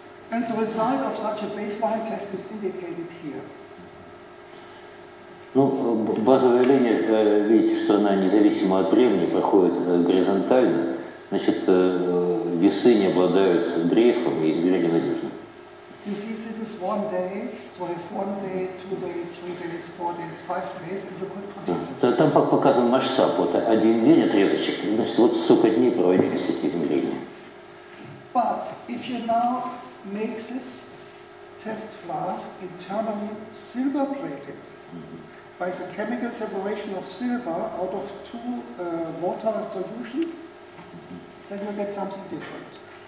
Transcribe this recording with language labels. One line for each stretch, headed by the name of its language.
English: And the result of such a baseline test is indicated here.
Russian: Ну, базовая линия, видите, что она независимо от времени проходит горизонтально, значит, весы не обладают дрейфом и измерения надежны.
English: You see, this is one day, so if one day, two days, three days, four days, five days, and you could continue.
Russian: Там показан масштаб, вот один день отрезочек, значит, вот сколько дней проводились эти измерения.
English: But if you now make this test flask internally silver plated by the chemical separation of silver out of two water solutions, then you get something different.